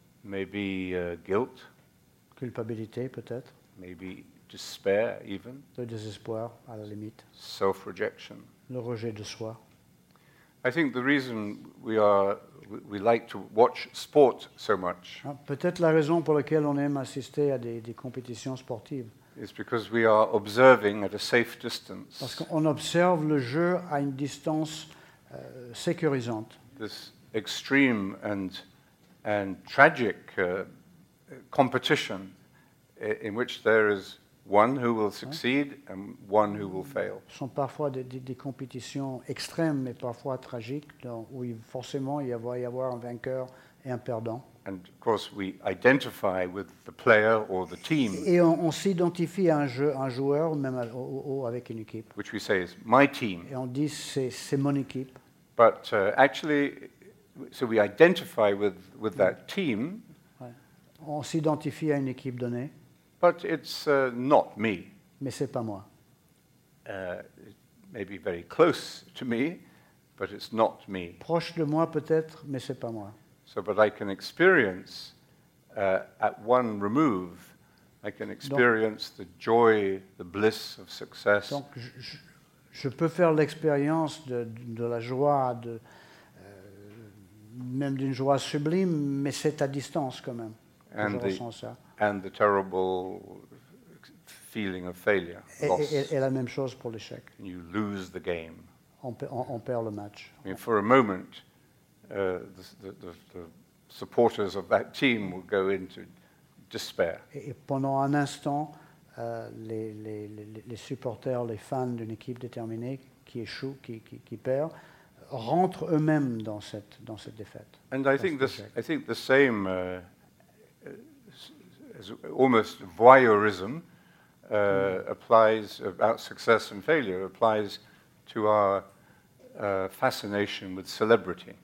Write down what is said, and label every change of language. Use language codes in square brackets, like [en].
[en] Maybe guilt. [fr] Culpabilité, peut-être. [en] Maybe despair, even. [fr] Le désespoir, à la limite. [en] Self-rejection. [fr] Le rejet de soi. [en] I think the reason we like to watch sport so much. [fr] Peut-être la raison pour laquelle on aime assister à des compétitions sportives. [en] Is because we are observing at a safe distance. [fr] Parce qu'on observe le jeu à une distance sécurisante. [en] This extreme and tragic competition in which there is One who will succeed and one who will fail. [fr] Ce sont parfois des compétitions extrêmes, mais parfois tragiques, donc, où forcément il va y avoir un vainqueur et un perdant. [en] And of course, we identify with the player or the team. [fr] Et on s'identifie à un joueur ou même avec une équipe. [en] Which we say is my team. [fr] Et on dit c'est mon équipe. [en] But actually, so we identify with that team. [fr] Ouais. On s'identifie à une équipe donnée. [en] But it's not me. [fr] Mais c'est pas moi. [en] Maybe very close to me, but it's not me. [fr] Proche de moi peut-être, mais c'est pas moi. [en] So, but I can experience at one remove, I can experience [fr] donc, [en] the joy, the bliss of success. [fr] Donc, je peux faire l'expérience de la joie, même d'une joie sublime, mais c'est à distance quand même. [en] And [fr] je ressens ça. [en] And the terrible feeling of failure, [fr] et la même chose pour l'échec. [en] You lose the game. [fr] On perd le match. [en] I mean, for a moment, the supporters of that team will go into despair. [fr] Et pendant un instant, les supporters, les fans d'une équipe déterminée qui échoue, qui perd, rentrent eux-mêmes dans cette défaite. [en] And I think the same. Almost voyeurism applies about success and failure applies to our fascination with celebrity.